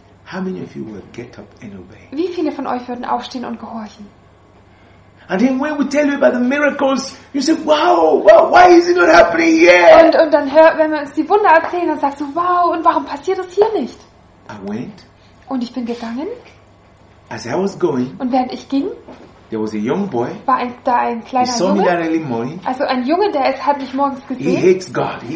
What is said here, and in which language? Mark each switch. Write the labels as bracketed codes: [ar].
[en] How many of you will get up and obey? [de] Wie viele von euch würden aufstehen und gehorchen? [en] And then when we tell you about the miracles, you say, wow, why is it not happening here? [de] Und dann hör, wenn wir uns die Wunder erzählen, dann sagst du, wow, und warum passiert das hier nicht? [en] I went. [de] Und ich bin gegangen. [en] As I was going. [de] Und während ich ging. [en] There was a young boy. [de] War ein kleiner Junge. [en] That early morning. [de] Also ein Junge, der es hat mich morgens gesehen. [en] He hates God. He